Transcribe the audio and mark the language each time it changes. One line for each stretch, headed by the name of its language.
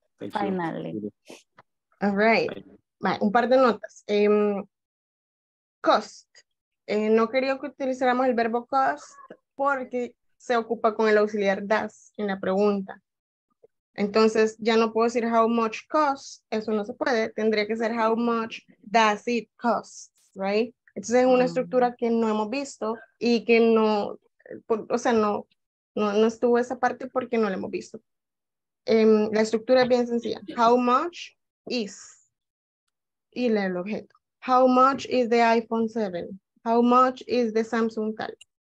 English: Finally. All right.
Spanish: Un par de notas.
English: Cost.
Spanish: No quería que utilizáramos el verbo cost porque se ocupa con el auxiliar does en la pregunta. Entonces, ya no puedo decir
English: how much cost.
Spanish: Eso no se puede. Tendría que ser
English: how much does it cost, right?
Spanish: Entonces, es una estructura que no hemos visto y que no, o sea, no estuvo esa parte porque no la hemos visto. La estructura es bien sencilla.
English: How much is.
Spanish: Y lee el objeto.
English: How much is the iPhone 7? How much is the Samsung
Spanish: tal?